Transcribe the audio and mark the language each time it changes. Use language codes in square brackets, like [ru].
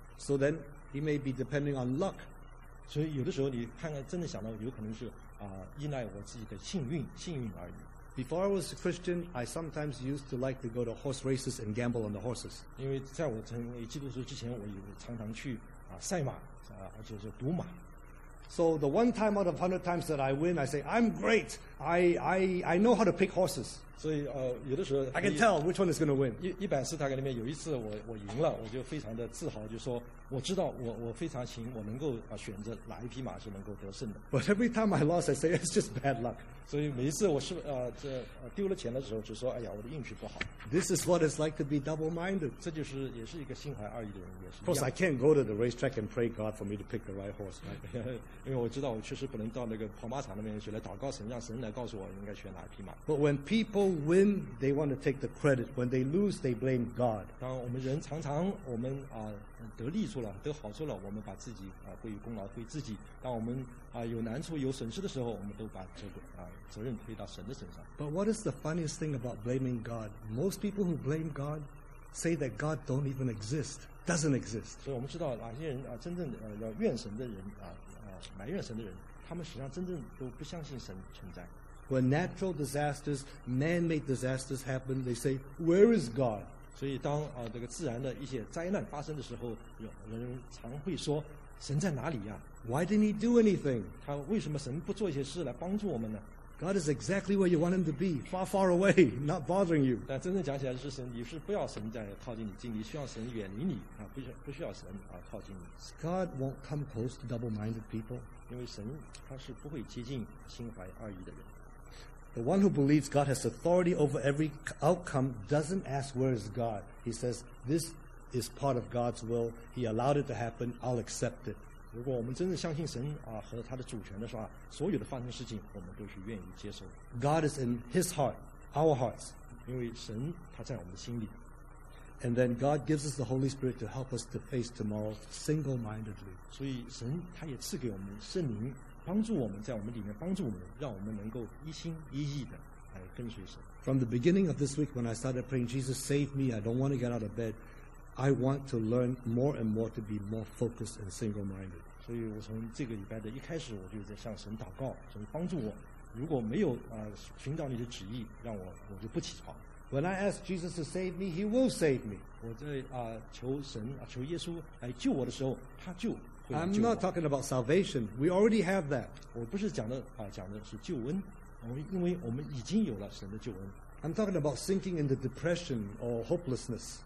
[en] So then he may be depending on luck. [zh] 所以有的时候你看看，真的想到有可能是依赖我自己的幸运而已。 [en] Before I was a Christian, I sometimes used to like to go to horse races and gamble on the horses. [zh] 因为在我成为基督徒之前，我也常常去赛马而且是赌马。 [en] So the one time out of 100 times that I win, I say, I'm great. I know how to pick horses. [zh] 所以有的时候 [en] I can tell which one is going to win. [zh] 100次大概里面有一次我赢了，我就非常的自豪，就说我知道我非常行，我能够选择哪一匹马是能够得胜的。 [en] But every time I lost, I say it's just bad luck. [zh] 所以每一次我是丢了钱的时候，就说哎呀，我的运气不好。 [en] This is what it's like to be double-minded. [zh] 这就是也是一个心怀二意的人，也是。 [en] Of course, I can't go to the racetrack and pray God for me to pick the right horse. [zh] 因为我知道我确实不能到那个跑马场那边去来祷告神，让神来告诉我应该选哪一匹马。 [en] But when people win, they want to take the credit. When they lose, they blame God. [zh] 当我们人常常我们得利处了，得好处了，我们把自己归于功劳归自己。当我们有难处有损失的时候，我们都把这个责任推到神的身上。 [en] But what is the funniest thing about blaming God? Most people who blame God say that God don't even exist, doesn't exist. [zh] 所以我们知道哪些人真正要怨神的人埋怨神的人，他们实际上真正都不相信神存在。 [en] When natural disasters, man-made disasters happen, they say, "Where is God?" [zh] 所以当这个自然的一些灾难发生的时候，有人常会说，神在哪里呀？ [en] Why didn't he do anything? [zh] 他为什么神不做一些事来帮助我们呢？ [en] God is exactly where you want him to be, far, far away, not bothering you. [zh] 但真正讲起来是神，你是不要神在靠近你，你需要神远离你不需要神靠近你。 [en] God won't come close to double-minded people. [zh] 因为神他是不会接近心怀二意的人。 [en] The one who believes God has authority over every outcome doesn't ask where is God. He says, this is part of God's will. He allowed it to happen. I'll accept it. [zh] 如果我们真正相信神和他的主权的话，所有的发生事情我们都是愿意接受。 [en] God is in his heart, our hearts. [zh] 因为神他在我们的心里。 [en] And then God gives us the Holy Spirit to help us to face tomorrow single-mindedly. [zh] 所以神他也赐给我们圣灵帮助我们，在我们里面帮助我们，让我们能够一心一意的来跟随神。 [en] From the beginning of this week, when I started praying, Jesus, save me, I don't want to get out of bed. I want to learn more and more to be more focused and single-minded. [zh] 所以我从这个礼拜的一开始，我就在向神祷告，神帮助我。如果没有寻找你的旨意，让我就不起床。 [en] When I ask Jesus to save me, He will save me. [zh] 我在求神求耶稣来救我的时候，他就。 [en] I'm not talking about salvation. We already have that. [zh] 我不是讲的是救恩，因为我们已经有了神的救恩。 [en] I'm talking about sinking into depression or hopelessness.